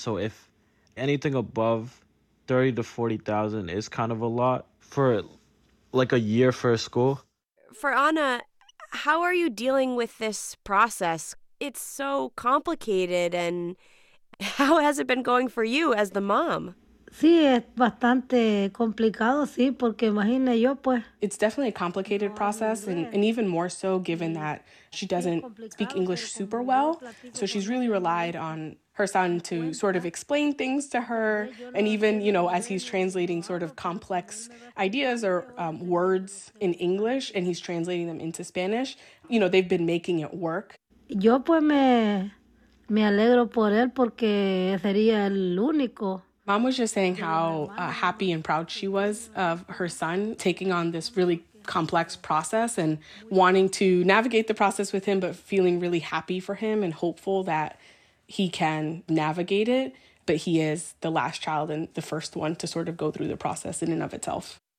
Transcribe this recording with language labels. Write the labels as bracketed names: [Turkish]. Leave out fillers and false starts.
[English] So if anything above 30 to 40,000 is kind of a lot for like a year for a school. For Anna, how are you dealing with this process? It's so complicated, and how has it been going for you as the mom? [Spanish] Sí, es bastante complicado, sí, porque imagina yo pues. [English] It's definitely a complicated process, and even more so given that she doesn't speak English super well. So she's really relied on her son to sort of explain things to her, and even, you know, as he's translating sort of complex ideas or words in English, and he's translating them into Spanish, you know, they've been making it work. [Spanish] Yo pues me alegro por él porque sería el único. [English] Mom was just saying how happy and proud she was of her son taking on this really complex process and wanting to navigate the process with him, but feeling really happy for him and hopeful that he can navigate it. But he is the last child and the first one to sort of go through the process in and of itself.